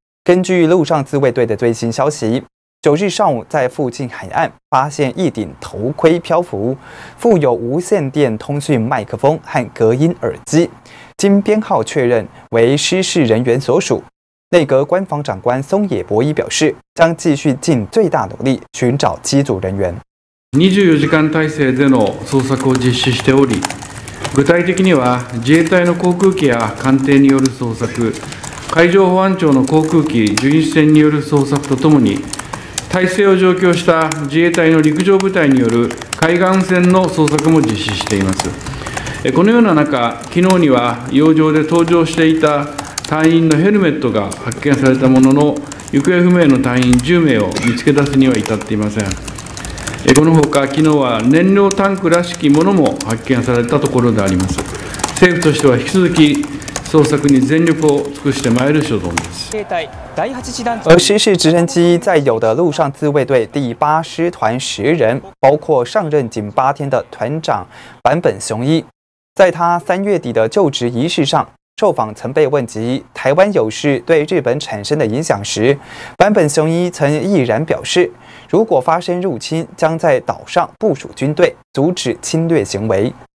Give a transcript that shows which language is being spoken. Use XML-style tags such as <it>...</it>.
<zh>根据陆上自卫队的最新消息，9日上午在附近海岸发现一顶头盔漂浮，附有无线电通讯麦克风和隔音耳机，经编号确认为失事人员所属。内阁官房长官松野博一表示，将继续尽最大努力寻找机组人员。</zh> <ja>24時間体制での捜索を実施しており、具体的には自衛隊の航空機や艦艇による捜索、海上保安庁の航空機巡視船による捜索とともに、体制を増強した自衛隊の陸上部隊による海岸線の捜索も実施しています。このような中、昨日には洋上で搭乗していた隊員のヘルメットが発見されたものの、行方不明の隊員10名を見つけ出すには至っていません。このほか、昨日は燃料タンクらしきものも発見されたところであります。政府としては引き続き捜索に全力を尽くしてまいる所存です。</ja> <zh>而失事直升机载有的陆上自卫队第八师团10人，包括上任仅8天的团长坂本雄一，在他3月底的就职仪式上，受访曾被问及台湾有事对日本产生的影响时，坂本雄一曾毅然表示，如果发生入侵，将在岛上部署军队，阻止侵略行为。</zh>